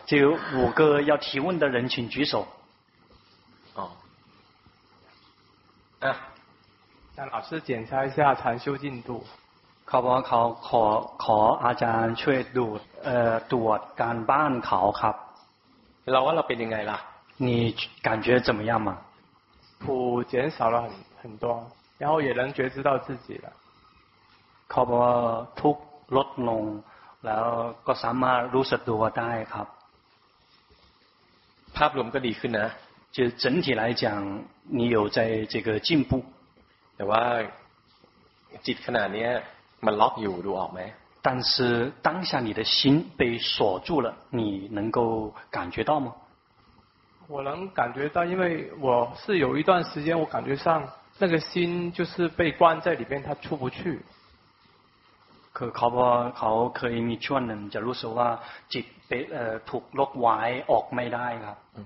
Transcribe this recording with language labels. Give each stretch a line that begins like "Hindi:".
Chinese: ชื่อ5个要提问的人请举手
Thai: อ๋ออ่ะ
Chinese: ท่านอาจารย์检查一下禅修进度
Thai: เขาบอกว่าเขาขออาจารย์ช่วยดูตรวจการบ้านเขาครับ เราว่าเราเป็นยังไงล่ะ
Chinese: 你感觉怎么样吗苦减少了很多然后也能觉知到自己了
Thai: เขาบอกทุกลดลงแล้วก็สามารถรู้สึกตัวได้ครับ ภาพรวมก็ดีขึ้นนะ
Chinese: 就整体来讲你有在这个进步
Thai: แต่ว่าจิตขนาดนี้มันล็อกอยู่ดูออกไหม
Chinese: 但是当下你的心被锁住了你能够感觉到吗我能感觉到因为我是有一段时间我感觉上那个心就是被关在里面它出不去
Thai: คือเขาบอกเขาเคยมีช่วงหนึ่งจะรู้สึกว่าจิตไปถูกล็อกไว้ออกไม่ได้ครับ